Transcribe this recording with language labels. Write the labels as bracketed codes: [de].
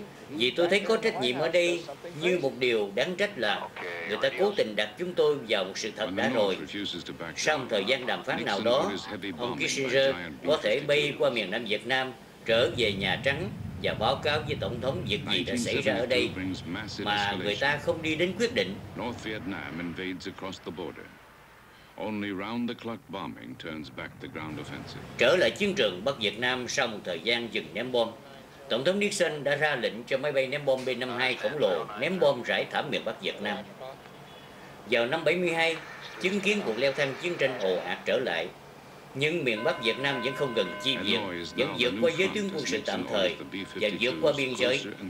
[vi] Vì tôi thấy có trách nhiệm ở đây như một điều đáng trách là người ta cố tình đặt chúng tôi vào một sự thật đã rồi. Sau một thời gian đàm phán nào đó, ông Kissinger có thể bay qua miền Nam Việt Nam, trở về Nhà Trắng và báo cáo với Tổng thống việc gì đã xảy ra ở đây mà người ta không đi đến quyết định. [en] North Vietnam invades across the border. Only round-the-clock bombing turns back the ground offensive. [vi] Trở lại chiến trường Bắc Việt Nam sau một thời gian dừng ném bom, Tổng thống Nixon đã ra lệnh cho máy bay ném bom B-52 khổng lồ ném bom rải thảm miền Bắc Việt Nam. Vào năm 72, chứng kiến cuộc leo thang chiến tranh ồ ạt trở lại. Nhưng miền Bắc Việt Nam vẫn không gần chi viện, vẫn vượt qua giới tuyến quân sự tạm thời và vượt qua biên giới.